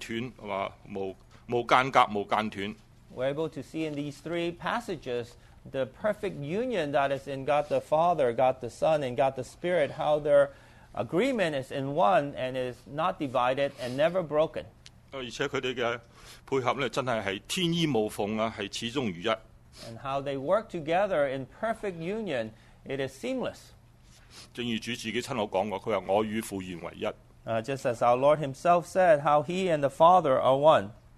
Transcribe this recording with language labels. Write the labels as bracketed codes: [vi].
[zh] 我们的主和我们的父和我们的圣灵他们之间是多么样的合作无间无间断无间隔无间断 [en] We're able to see in these three passages the perfect union that is in God the Father, God the Son, and God the Spirit, how their agreement is in one and is not divided and never broken. [zh] 而且他们的配合真的是天衣无缝，是始终如一。 [en] And how they work together in perfect union, it is seamless. [zh] 正如主自己亲口讲过，佢话我与父原为一。 [en] Just as our Lord Himself said, how He and the Father are one.